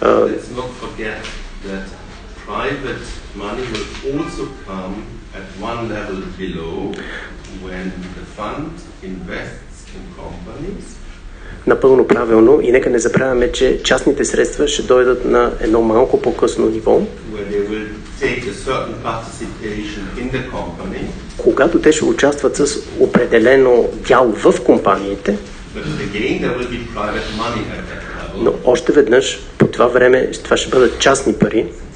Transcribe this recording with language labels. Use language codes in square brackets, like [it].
[en] Let's not forget that private money will also come at one level below when the fund invests in companies. [bg] Напълно правилно, и нека не забравяме, че частните средства ще дойдат на едно малко по-късно ниво, [en] where they will take a certain participation in the company. [bg] Когато те ще участват с определено дял в компаниите. [en] But again, there will be private money at that. [bg] Но още веднъж, по това време, това ще бъдат частни пари.